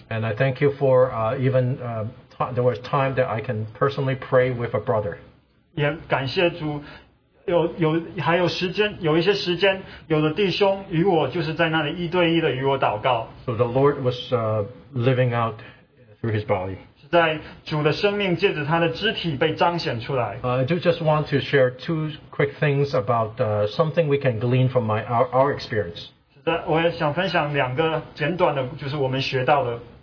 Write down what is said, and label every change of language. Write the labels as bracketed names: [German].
[English] And I thank you for there was time that I can personally pray with a brother [Chinese] 也感谢主 有还有时间，有一些时间，有的弟兄与我就是在那里一对一的与我祷告。 [English] So the Lord was living out through His body. [Chinese] 是在主的生命借着他的肢体被彰显出来。 [English] I do just want to share two quick things about something we can glean from our experience. [Chinese] 是的，我也想分享两个简短的，就是我们学到的。